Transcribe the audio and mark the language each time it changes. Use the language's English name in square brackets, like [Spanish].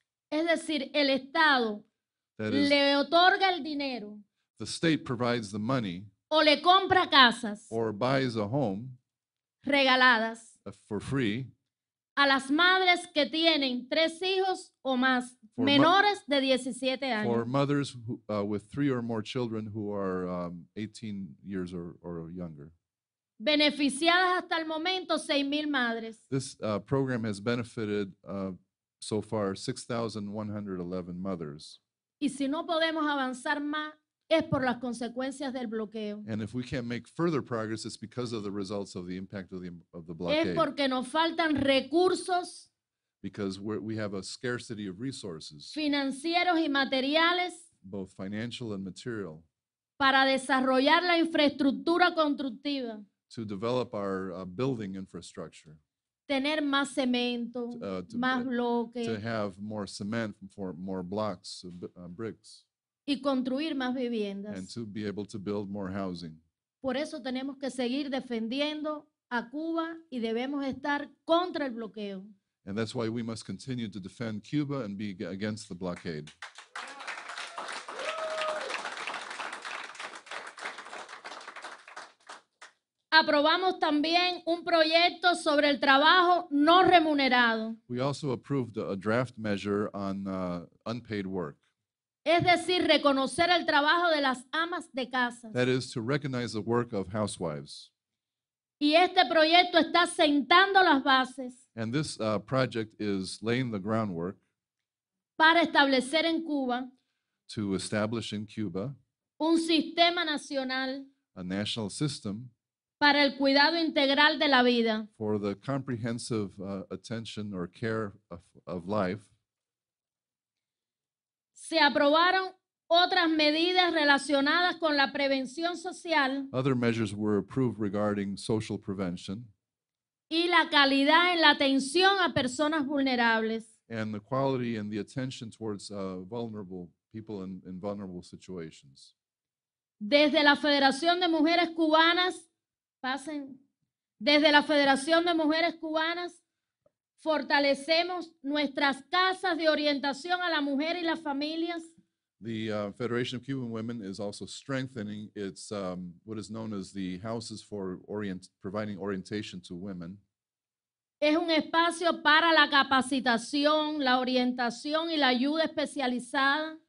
[Spanish] Es decir, el Estado le otorga el dinero, [English] the state provides the money, [Spanish] o le compra casas, [English] or buys a home, [Spanish] regaladas, [English] for free, [Spanish] a las madres que tienen tres hijos o más, menores de 17 años. [English] For mothers who, with three or more children who are 18 years or younger. [Spanish] Beneficiadas hasta el momento 6,000 madres. [English] This program has benefited so far 6,111 mothers. [Spanish] Y si no podemos avanzar más, es por las consecuencias del bloqueo. [English] And if we can't make further progress, it's because of the results of the impact of the blockade. [Spanish] Es porque nos faltan recursos. [English] Because we have a scarcity of resources. [Spanish] Financieros y materiales. [English] Both financial and material. [Spanish] Para desarrollar la infraestructura constructiva. [English] To develop our building infrastructure. [Spanish] Tener más cemento, más bloques. [English] To have more cement for more blocks, bricks. [Spanish] Y construir más viviendas. [English] And to be able to build more housing. [Spanish] Por eso tenemos que seguir defendiendo a Cuba y debemos estar contra el bloqueo. [English] And that's why we must continue to defend Cuba and be against the blockade. [Spanish] Aprobamos también un proyecto sobre el trabajo no remunerado. [English] We also approved a draft measure on unpaid work. [Spanish] Es decir, reconocer el trabajo de las amas de casa. [English] That is to recognize the work of housewives. [Spanish] Y este proyecto está sentando las bases. [English] And this project is laying the groundwork. [Spanish] Para establecer en Cuba. [English] To establish in Cuba. [Spanish] Un sistema nacional. [English] A national system. [Spanish] Para el cuidado integral de la vida. [English] For the comprehensive attention or care of life. [Spanish] Se aprobaron otras medidas relacionadas con la prevención social. [English] Other measures were approved regarding social prevention. [Spanish] Y la calidad en la atención a personas vulnerables. [English] And the quality and the attention towards vulnerable people in vulnerable situations. [Spanish] Desde la Federación de Mujeres Cubanas, pasen. Desde la Federación de Mujeres Cubanas, fortalecemos nuestras casas de orientación a la mujer y las familias. [English] The Federation of Cuban Women is also strengthening its what is known as the houses for providing orientation to women. [Spanish] Es un espacio para la capacitación, la orientación y la ayuda especializada.